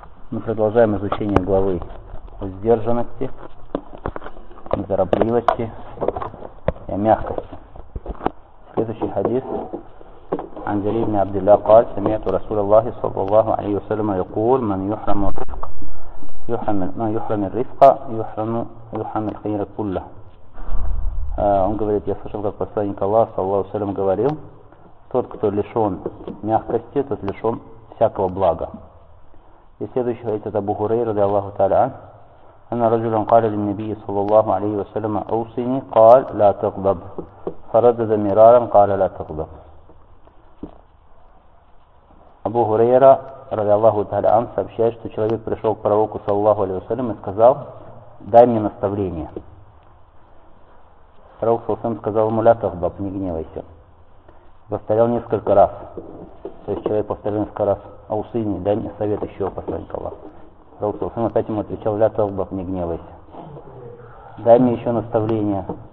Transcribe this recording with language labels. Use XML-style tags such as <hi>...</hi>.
<ru>Мы продолжаем изучение главы о сдержанности, неторопливости и о мягкости. Следующий хадис.</ru> <ar>عن جرير بن عبد الله قال سمعت رسول الله صلى الله عليه وسلم يقول من يحرم الرفق يحرم من يحرم الرفق يحرم يحرم الخير كله.</ar> <ru>Он говорит, я слышал, как посланник Аллаха</ru> <ar>صلى الله عليه وسلم</ar> <ru>говорил, тот, кто лишен мягкости, тот лишен всякого блага. И следующий говорит, это Абу Хурейра,</ru> <ar>رضي الله تعالى عنه. أن رجلا قال للنبي صلى الله عليه وسلم أوصني قال لا تغضب. فردد مرارا قال لا تغضب.</ar> <ru>Абу Хурейра,</ru> <ar>رضي الله تعالى عنه,</ar> <ru>сообщает, что человек пришел к пророку</ru> <ar>صلى الله عليه وسلم</ar> <ru>и сказал, дай мне наставление. Пророк</ru> <ar>صلى الله عليه وسلم</ar> <ru>сказал ему,</ru> <ar>لا تغضب,</ar> <ru>не гневайся. Повторял несколько раз. То есть человек повторил несколько раз, Аусыни, дай мне совет еще посланник Аллаха. Пророк Саусын опять ему отвечал,</ru> <ar>ля талбах,</ar> <ru>не гневайся. Дай мне еще наставление.</ru>